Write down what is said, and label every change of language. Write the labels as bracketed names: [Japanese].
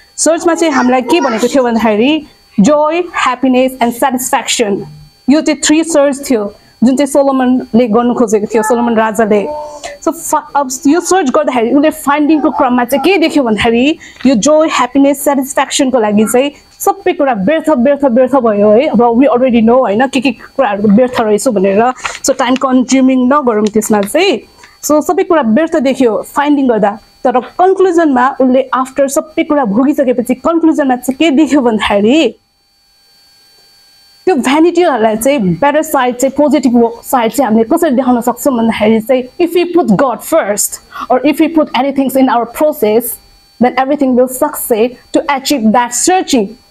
[Nepali] सर्चमा चाहिँ हामीलाई के भनेको थियो भन्दाखेरि joy, happiness, and satisfaction. यो चाहिँ 3 सर्च थियो. जुन चाहिँ सोलोमनले गर्नु खोजेको थियो, सोलोमन राजाले. सो अब यो सर्च गर्दाखेरि उसले फाइन्डिङको क्रममा चाहिँ के देख्यो भन्दाखेरि, यो जोय, ह्याप्पिनेस, सेटिस्फ्याक्सनको लागि चाहिँ सबै कुरा व्यर्थ व्यर्थ व्यर्थ भयो है. अब [English] we already know [Nepali] होइन के के कुराहरू व्यर्थ रहेछ भनेर. सो टाइम कन्ज्युमिङ नगरौँ त्यसमा चाहिँ. सो सबै कुरा व्यर्थ देख्यो फाइन्डिङ गर्दा, तर कन्क्लुजनमा उसले आफ्टर सबै कुरा भोगिसकेपछि कन्क्लुजनमा चाहिँ के देख्यो भन्दाखेरि, त्यो भ्यानिटीहरूलाई चाहिँ बेटर साइड चाहिँ, पोजिटिभ साइड चाहिँ हामीले कसरी देखाउन सक्छौँ भन्दाखेरि चाहिँ, [English] If you put God first or if you put anything in our process then everything will success to achieve that searching.